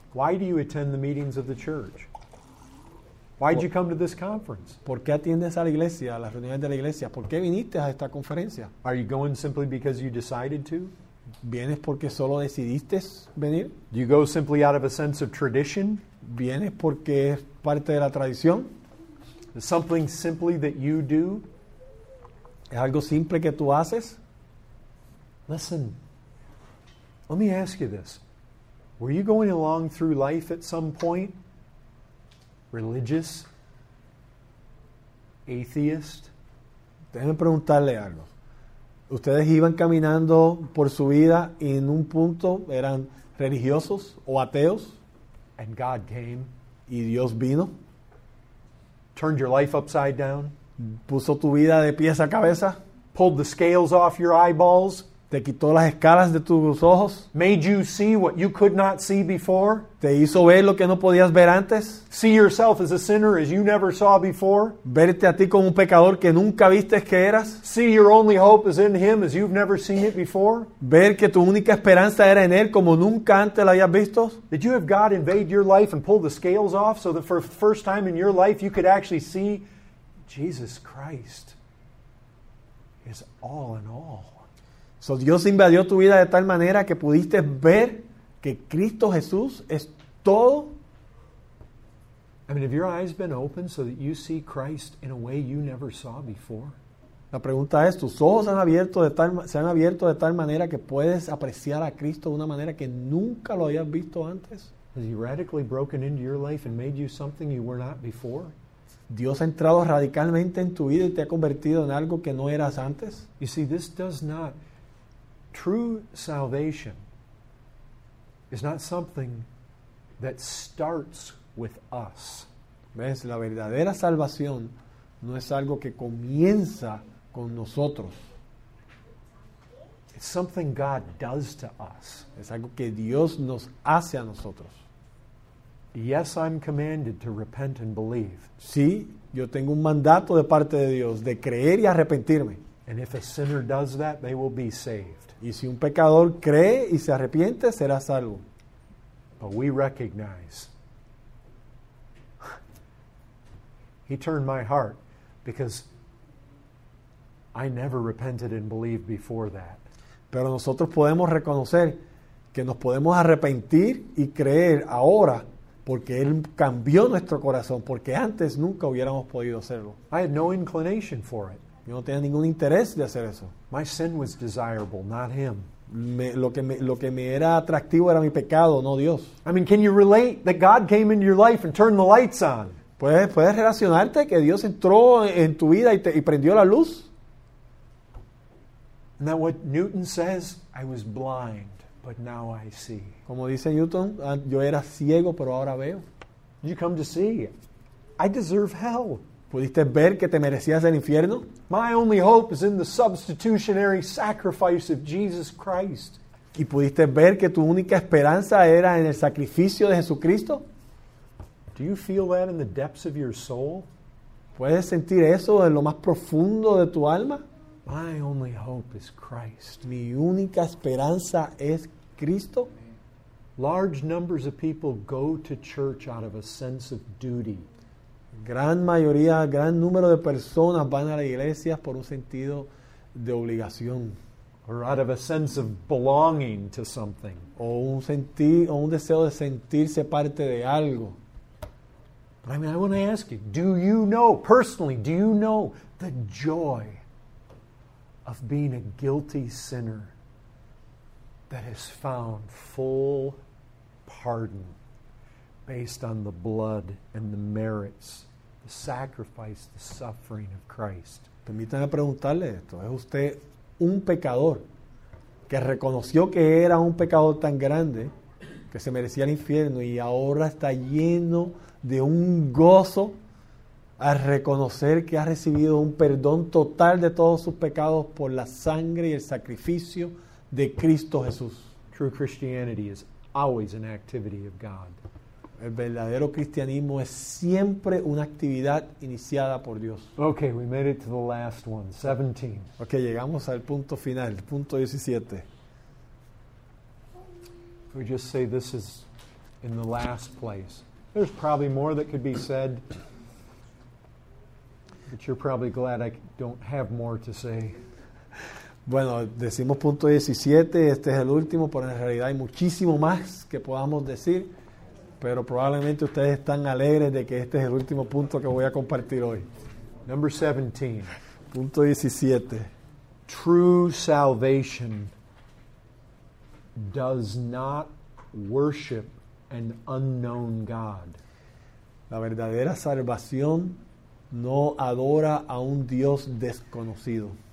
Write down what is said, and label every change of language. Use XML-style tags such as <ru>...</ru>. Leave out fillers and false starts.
<en>Why do you attend the meetings of the church? Why did you come to this conference?</en> <es>¿Por qué atiendes a la iglesia, a las reuniones de la iglesia? ¿Por qué viniste a esta conferencia?</es> <en>Are you going simply because you decided to?</en> <es>¿Vienes porque solo decidiste venir?</es> <en>Do you go simply out of a sense of tradition?</en> <es>¿Vienes porque es parte de la tradición?</es> <en>Something simply that you do?</en> <es>¿Es algo simple que tú haces?</es> <en>Listen, let me ask you this. Were you going along through life at some point? Religious? Atheist?</en> <es>Déjenme preguntarle algo. ¿Ustedes iban caminando por su vida y en un punto eran religiosos o ateos?</es> <en>And God came.</en> <es>¿Y Dios vino?</es> <en>Turned your life upside down.</en> <es>¿Puso tu vida de pies a cabeza?</es> <en>Pulled the scales off your eyeballs.</en> <es>¿Te quitó las escalas de tus ojos?</es> <en>Made you see what you could not see before.</en> <es>¿Te hizo ver lo que no podías ver antes?</es> <en>See yourself as a sinner as you never saw before.</en> <es>¿Verte a ti como un pecador que nunca viste que eras?</es> <en>See your only hope is in him as you've never seen it before.</en> <es>¿Ver que tu única esperanza era en él como nunca antes la habías visto?</es> <en>Did you have God invade your life and pull the scales off so that for the first time in your life you could actually see Jesus Christ is all in all?</en> <es>So Dios invadió tu vida de tal manera que pudiste ver que Cristo Jesús es todo.</es> <en>I mean, have your eyes been opened so that you see Christ in a way you never saw before?</en> <es>La pregunta es, ¿tus ojos se han abierto de tal manera que puedes apreciar a Cristo de una manera que nunca lo habías visto antes?</es> <en>Has he radically broken into your life and made you something you were not before?</en> <es>Dios ha entrado radicalmente en tu vida y te ha convertido en algo que no eras antes.</es> <en>You see, this does not... True salvation is not something that starts with us.</en> <es>¿Ves? La verdadera salvación no es algo que comienza con nosotros.</es> <en>It's something God does to us.</en> <es>Es algo que Dios nos hace a nosotros.</es> <en>Yes, I'm commanded to repent and believe.</en> <es>Sí, yo tengo un mandato de parte de Dios de creer y arrepentirme.</es> <en>And if a sinner does that, they will be saved.</en> <es>Y si un pecador cree y se arrepiente, será salvo.</es> <en>But we recognize. He turned my heart because I never repented and believed before that.</en> <es>Pero nosotros podemos reconocer que nos podemos arrepentir y creer ahora porque Él cambió nuestro corazón, porque antes nunca hubiéramos podido hacerlo.</es> <en>I had no inclination for it.</en> <es>Yo no tenía ningún interés de hacer eso.</es> <en>My sin was desirable, not him.</en> <es>Lo que me era atractivo era mi pecado, no Dios.</es> <en>I mean, can you relate that God came into your life and turned the lights on?</en> <es>¿Puedes relacionarte que Dios entró en tu vida y prendió la luz?</es> <en>And that what Newton says, I was blind, but now I see.</en> <es>Como dice Newton, yo era ciego, pero ahora veo.</es> <en>You come to see. I deserve hell.</en> <es>¿Pudiste ver que te merecías el infierno?</es> <en>My only hope is in the substitutionary sacrifice of Jesus Christ.</en> <es>¿Y pudiste ver que tu única esperanza era en el sacrificio de Jesucristo?</es> <en>Do you feel that in the depths of your soul?</en> <es>¿Puedes sentir eso en lo más profundo de tu alma?</es> <en>My only hope is Christ.</en> <es>Mi única esperanza es Cristo.</es> <en>Large numbers of people go to church out of a sense of duty.</en> <es>Gran mayoría, gran número de personas van a la iglesia por un sentido de obligación.</es> <en>Or out of a sense of belonging to something.</en> <es>O un deseo de sentirse parte de algo.</es> <en>But I mean, I want to ask you, do you know, personally, do you know the joy of being a guilty sinner that has found full pardon based on the blood and the merits, the sacrifice, the suffering of Christ?</en> <es>Permítame preguntarle esto. ¿Es usted un pecador que reconoció que era un pecador tan grande que se merecía el infierno y ahora está lleno de un gozo al reconocer que ha recibido un perdón total de todos sus pecados por la sangre y el sacrificio de Cristo Jesús?</es> <en>True Christianity is always an activity of God.</en> <es>El verdadero cristianismo es siempre una actividad iniciada por Dios.</es> <en>Okay, we made it to the last one, 17.</en> <es>Okay, llegamos al punto final, punto 17.</es> <en>We just say this is in the last place. There's probably more that could be said, but you're probably glad I don't have more to say.</en> <es>Bueno, decimos punto 17, este es el último, pero en realidad hay muchísimo más que podamos decir, pero probablemente ustedes están alegres de que este es el último punto que voy a compartir hoy.</es> <en>Number 17.</en> <es>Punto 17.</es> <en>True salvation does not worship an unknown God.</en> <es>La verdadera salvación no adora a un Dios desconocido.</es>